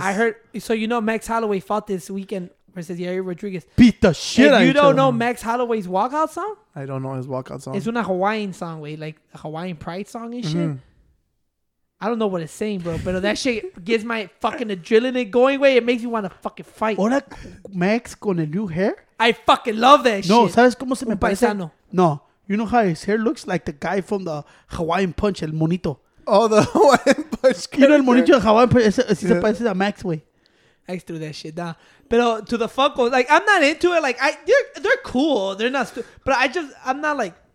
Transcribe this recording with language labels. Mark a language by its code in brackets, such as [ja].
[en] I heard. So you know Max Holloway fought this weekend versus Yair Rodriguez. Beat the shit out of him. You don't know Max Holloway's walkout song? I don't know his walkout song. It's a Hawaiian song, like a Hawaiian pride song and shit. I don't know what it's saying, bro, but that shit gets my fucking adrenaline going away. It makes me want to fucking fight. [es] Ahora Max con el [en] new hair? I fucking love that no, shit. [es] No, ¿sabes cómo se me parece? Paisano. [en] No, you know how his hair looks? Like the guy from the Hawaiian Punch, [es] el monito. [en] Oh, the Hawaiian Punch character. You know [es] el monito de Hawaiian Punch? Así yeah. Se parece a Max, güey. [en] I threw that shit down. But to the Funko, like, I'm not into it. Like, they're cool. They're not stupid. But I just, I'm not like...